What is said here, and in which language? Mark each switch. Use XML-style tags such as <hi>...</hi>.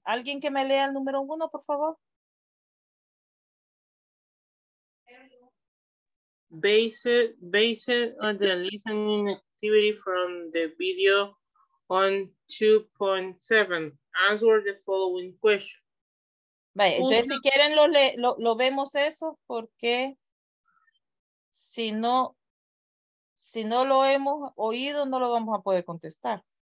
<es>¿Alguien que me lea el número uno, por favor?</es> <en>Based on the listening activity from the video on 2.7, answer the following question.</en> <es>Vale, entonces, si quieren, lo vemos eso, porque si no lo hemos oído, no lo vamos a poder contestar.</es>